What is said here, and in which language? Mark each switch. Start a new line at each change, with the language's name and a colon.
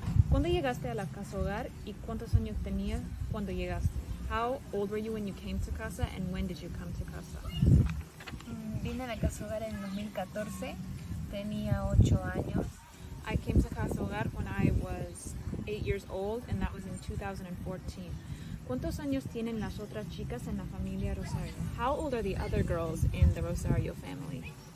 Spanish: ¿Cuándo llegaste a la casa hogar y cuántos años tenías cuando llegaste?
English: How old were you when you came to casa and when did you come to casa?
Spanish: Vine a la casa hogar en 2014, tenía 8 años.
English: I came to casa hogar when I was 8 years old and that was in 2014.
Spanish: ¿Cuántos años tienen las otras chicas en la familia Rosario?
English: How old are the other girls in the Rosario family?